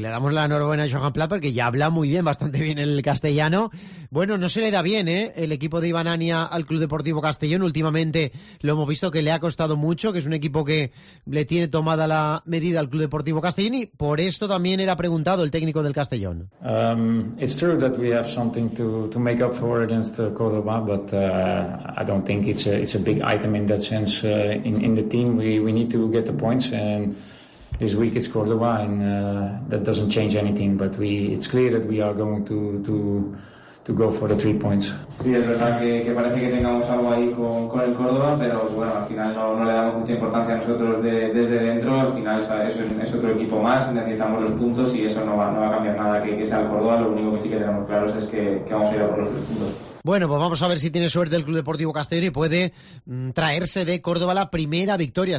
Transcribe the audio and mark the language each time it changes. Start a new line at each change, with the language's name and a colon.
Spanish: Le damos la enhorabuena a Johan Plat porque ya habla muy bien, bastante bien el castellano. Bueno, no se le da bien, ¿eh?, el equipo de Iván Ania al Club Deportivo Castellón. Últimamente lo hemos visto que le ha costado mucho, que es un equipo que le tiene tomada la medida al Club Deportivo Castellón, y por esto también era preguntado el técnico del Castellón.
English: It's true that we have something to make up for against Córdoba, but I don't think it's a big item in that sense. In the team we need to get the points, and this week it's Córdoba, and that doesn't change anything, but it's clear that we are going to go for the 3 points.
Spanish: Sí, es verdad que parece que tengamos algo ahí con el Córdoba, pero bueno, al final no le damos mucha importancia a nosotros desde dentro. Al final, ¿sabes?, es otro equipo más, necesitamos los puntos y eso no va a cambiar nada que sea el Córdoba. Lo único que sí que tenemos claro es que vamos a ir a por los 3 puntos. Bueno, pues vamos a ver si tiene suerte el Club Deportivo Castellón y puede traerse de Córdoba la primera victoria.